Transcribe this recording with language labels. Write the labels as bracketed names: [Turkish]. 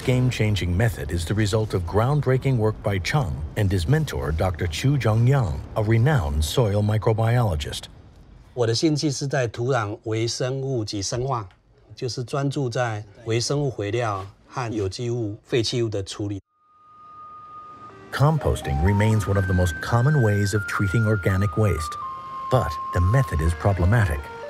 [English] game-changing method is the result of groundbreaking work by Chung and his mentor, Dr. Chu Zhongyang, a renowned soil microbiologist. [Chinese] 我的兴趣是在土壤微生物及生化，就是专注在微生物肥料和有机物废弃物的处理。Composting [English] remains one of the most common ways of treating organic waste, but the method is problematic.